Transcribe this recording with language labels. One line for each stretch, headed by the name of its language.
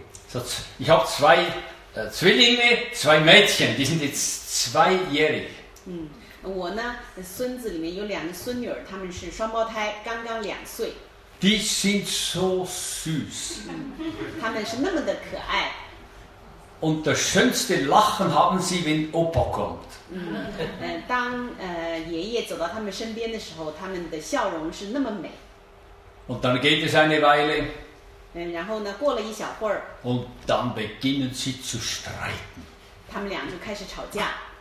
German: So, ich habe zwei Zwillinge, zwei Mädchen, die sind jetzt 2-jährig.
Chinese: 我呢，孙子里面有两个孙女，他们是双胞胎，刚刚两岁。
German: Die sind so süß.
Chinese: 他们是那么的可爱。
German: Und das schönste Lachen haben sie, wenn Opa kommt.
Chinese: 当爷爷走到他们身边的时候，他们的笑容是那么美。
German: Und dann geht es eine Weile.
Chinese: 然后呢，过了一小会儿。
German: Und dann beginnen sie zu streiten.
Chinese: 他们俩就开始吵架。